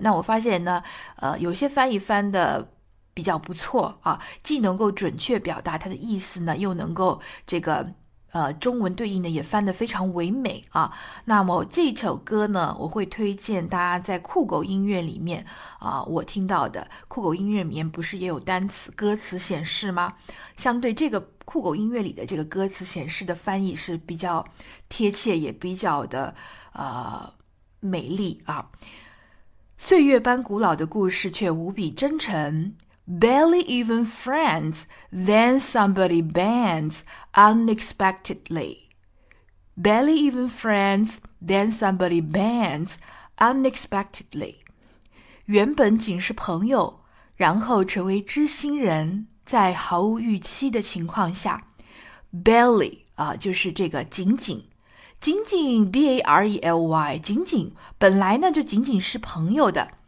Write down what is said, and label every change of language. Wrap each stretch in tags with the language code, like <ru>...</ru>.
<zh>那我发现呢，有些翻译翻的比较不错既能够准确表达它的意思呢，又能够这个中文对应的也翻得非常唯美那么这首歌呢，我会推荐大家在酷狗音乐里面我听到的酷狗音乐里面不是也有单词歌词显示吗？相对这个酷狗音乐里的这个歌词显示的翻译是比较贴切，也比较的美丽岁月般古老的故事却无比真诚。</zh> <en>Barely even friends, then somebody bends unexpectedly. Barely even friends, then somebody bends unexpectedly.</en> <zh>原本仅是朋友，然后成为知心人，在毫无预期的情况下。 Barely, 啊，就是这个仅仅。仅仅 B-A-R-E-L-Y, 仅仅本来呢就仅仅是朋友的。</zh>